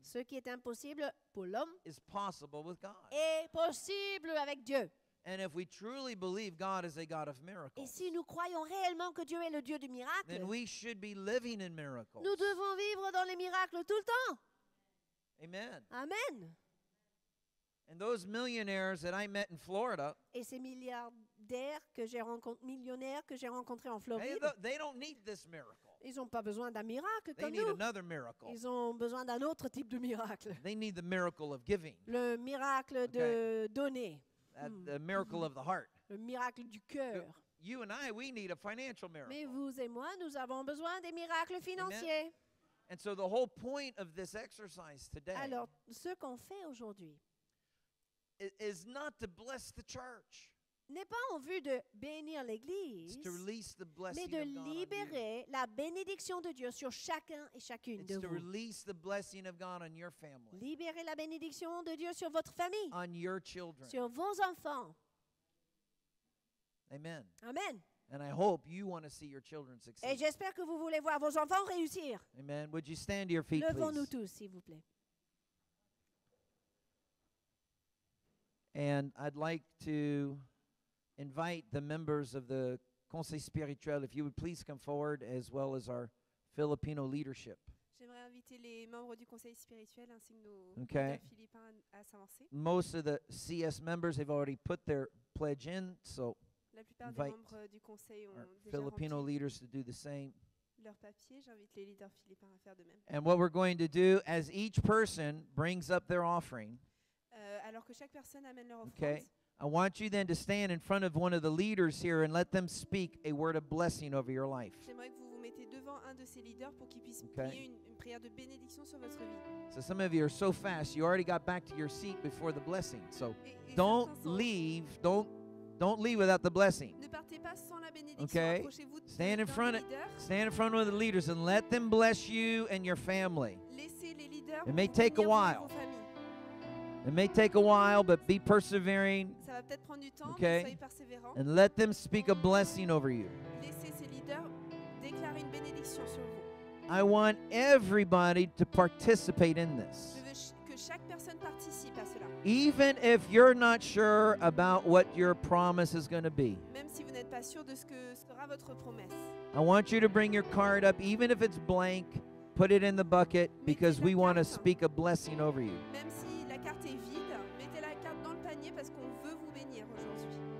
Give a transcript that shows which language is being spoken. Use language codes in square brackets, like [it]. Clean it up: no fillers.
[fr] Ce qui est impossible pour l'homme [en] is possible with God. [fr] Est possible avec Dieu. [en] And if we truly believe God is a God of miracles, [fr] Et si nous croyons réellement que Dieu est le Dieu du miracle, [en] then we should be living in miracles. [fr] Nous devons vivre dans les miracles tout le temps. [en] Amen. [fr] Amen. [en] And those millionaires that I met in Florida, [fr] Et ces milliardaires que j'ai millionnaires que j'ai rencontrés en Floride, [en] they don't need this miracle. [fr] Ils n'ont pas besoin d'un miracle comme [en] they need [fr] nous. [en] Another miracle. [fr] Ils ont besoin d'un autre type de miracle. [en] They need the miracle of giving. [fr] Le miracle [en] okay. [fr] de donner. [en] The miracle of the heart. [fr] Le miracle du cœur. [en] You and I, we need a financial miracle. [fr] Mais vous et moi, nous avons besoin des miracles financiers. [en] Amen. And so the whole point of this exercise today [fr] Alors, ce qu'on fait aujourd'hui [en] is not to bless the church. [fr] N'est pas en vue de bénir l'église, [en] it's to release the blessing [fr] mais de libérer la bénédiction de Dieu sur chacun et chacune [en] it's [fr] de [en] to [fr] vous. [en] Release the blessing of God on your family. [fr] Libérer la bénédiction de Dieu sur votre famille. [en] On your children. [fr] Sur vos enfants. [en] Amen. [fr] Amen. [en] And I hope you want to see your children succeed. [fr] Et j'espère que vous voulez voir vos enfants réussir. [en] Amen. Would you stand to your feet, [fr] Levons-nous Levons-nous tous, s'il vous plaît. [en] And I'd like to invite the members of the Conseil Spirituel, if you would please come forward, as well as our Filipino leadership. [fr] J'aimerais inviter les membres du Conseil Spirituel ainsi que nos [en] okay. [fr] Philippins à s'avancer. [en] Most of the CS members have already put their pledge in, so [fr] La plupart invite des membres du conseil ont [en] our [fr] déjà [en] Filipino leaders to do the same. [fr] Leur papier, j'invite les leaders philippins à faire de même. [en] And what we're going to do, as each person brings up their offering, [fr] alors que chaque personne amène leur offrande, [en] okay. I want you then to stand in front of one of the leaders here and let them speak a word of blessing over your life. [fr] J'aimerais que vous vous mettez devant un de ces leaders pour qu'il puisse prier une prière de bénédiction sur votre vie. [en] So some of you are so fast, you already got back to your seat before the blessing. So don't leave without the blessing. [fr] Ne partez pas sans la bénédiction. [en] Okay. Stand in front of the leaders and let them bless you and your family. [fr] Laissez les leaders. [en] It may take a while. It may take a while, but be persevering. [fr] Ça va peut-être prendre du temps, [en] okay? [fr] Mais soyez persévérant. [en] And let them speak a blessing over you. [fr] Laissez ces leaders déclarer une bénédiction sur vous. [en] I want everybody to participate in this. [fr] Je veux que chaque personne participe à cela. [en] Even if you're not sure about what your promise is going to be. [fr] Même si vous n'êtes pas sûr de ce que sera votre promesse. [en] I want you to bring your card up, even if it's blank. Put it in the bucket because we want to speak a blessing over you. [fr] Même si la carte est vide, mettez la carte dans le panier parce qu'on veut vous bénir aujourd'hui.